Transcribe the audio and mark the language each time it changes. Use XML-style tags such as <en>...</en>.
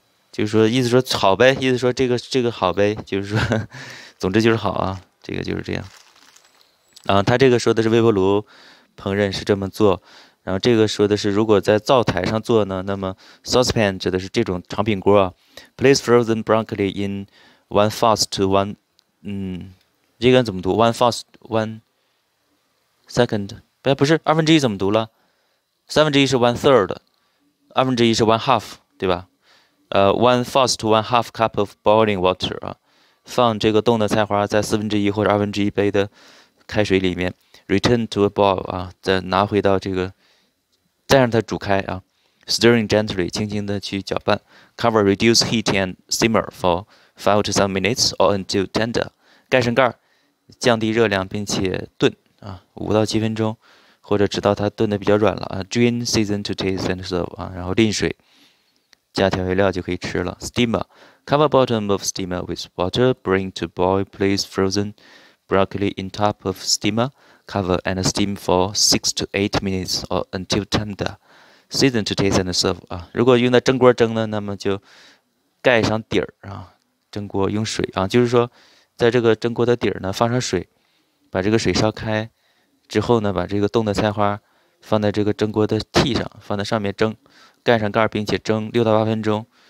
<zh>就是说意思说好呗，意思说这个好呗，就是说，总之就是好啊。这个就是这样，他这个说的是微波炉烹饪是这么做，然后这个说的是如果在灶台上做呢，那么 saucepan 指的是这种长柄锅啊。</zh> <en>Place frozen broccoli in one fast to one，</en> <zh>这个怎么读？</zh> <en>one fast one second，</en> <zh>不是二分之一怎么读了？三分之一是</zh> <en>one third，</en> <zh>二分之一是</zh> <en>one half，</en> <zh>对吧？</zh> <en>one fast to one half cup of boiling water 啊。</en> <zh>放这个冻的菜花在四分之一或者二分之一杯的开水里面，</zh> <en>return to a boil</en> <zh>啊，再拿回到这个，再让它煮开啊，</zh> <en>stirring gently，</en> <zh>轻轻的去搅拌，</zh> <en>cover，reduce heat and simmer for 5 to 7 minutes or until tender，</en> <zh>盖上盖儿，降低热量并且炖啊，5到7分钟，或者直到它炖的比较软了啊，</zh> <en>drain season to taste and serve</en> <zh>啊，然后淋水，加调味料就可以吃了，steamer。</zh> <en>Cover bottom of steamer with water. Bring to boil. Place frozen broccoli in top of steamer. Cover and steam for 6 to 8 minutes or until tender. Season to taste and serve.</en> <zh>啊，如果用在蒸锅蒸呢，那么就盖上底儿啊，蒸锅用水啊，就是说，在这个蒸锅的底儿呢放上水，把这个水烧开之后呢，把这个冻的菜花放在这个蒸锅的屉上，放在上面蒸，盖上盖儿，并且蒸6到8分钟。</zh>